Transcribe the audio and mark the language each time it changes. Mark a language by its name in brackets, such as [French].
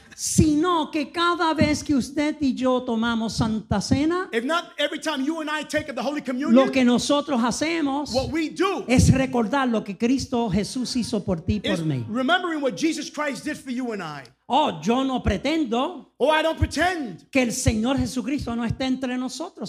[Spanish] Sino que cada vez que usted y yo tomamos Santa Cena, [English] if not every time you and I take the Holy Communion, [Spanish] lo que nosotros hacemos, [English] what we do, [Spanish] es recordar lo que Cristo Jesús hizo por ti y por mí. [English] Remembering what Jesus Christ did for you and I. [Spanish] Oh, yo no pretendo, [English] oh, I don't pretend, [Spanish] que el Señor Jesucristo no esté entre nosotros,